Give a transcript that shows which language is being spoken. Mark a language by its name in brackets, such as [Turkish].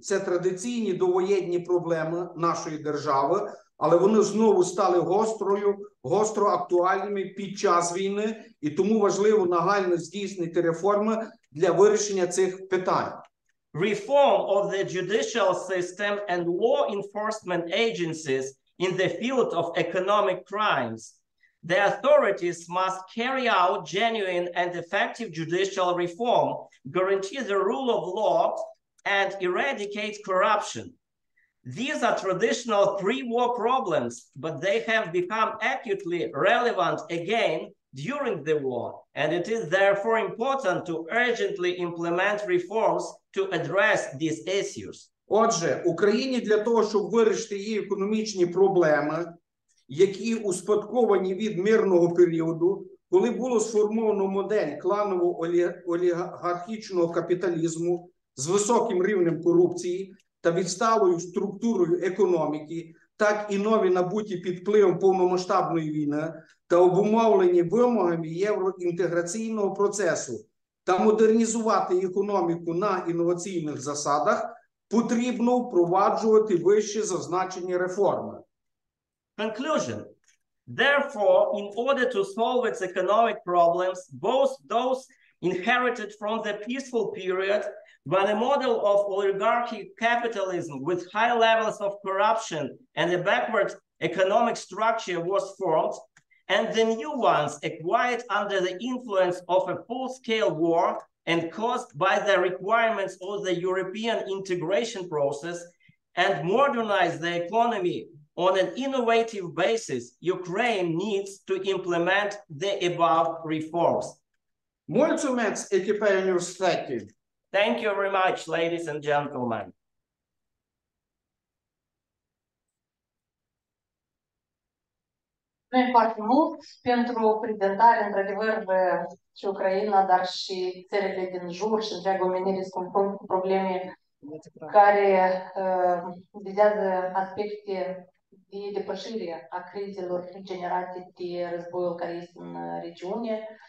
[Ukrainian] Це традиційні довоєнні проблеми нашої держави, але вони знову стали гостро актуальними під час війни, і тому важливо нагально здійснити реформи для вирішення цих питань. [English] Reform of the judicial system and law enforcement agencies in the field of economic crimes. The authorities must carry out genuine and effective judicial reform, guarantee the rule of law, and eradicate corruption. These are traditional pre-war problems, but they have become acutely relevant again during the war, and it is therefore important to urgently implement reforms to address these issues. [Ukrainian] Отже, Україні для того, щоб вирішити її економічні проблеми, які успадковані від мирного періоду, коли було сформовано модель кланово-олігархічного капіталізму з високим рівнем корупції та відсталою структурою економіки, так і нові набуті під впливом повномасштабної війни та обумовлені вимогами євроінтеграційного процесу та модернізувати економіку на інноваційних засадах, потрібно впроваджувати вище зазначені реформи. [English] Conclusion. Therefore, in order to solve its economic problems, both those inherited from the peaceful period, when a model of oligarchy capitalism with high levels of corruption and a backward economic structure was formed, and the new ones acquired under the influence of a full-scale war and caused by the requirements of the European integration process and modernize the economy on an innovative basis, Ukraine needs to implement the above reforms. [Romanian] Mulțumesc, echipa universității. [English] Thank you very much, ladies and gentlemen. [Romanian] Mulțumim foarte mult pentru prezentare, într-adevăr, și Ucraina, dar și țările din jur și întreaga omenire se confruntă cu probleme care vizează aspecte de depășire a crizelor generate de războiul care este în regiune.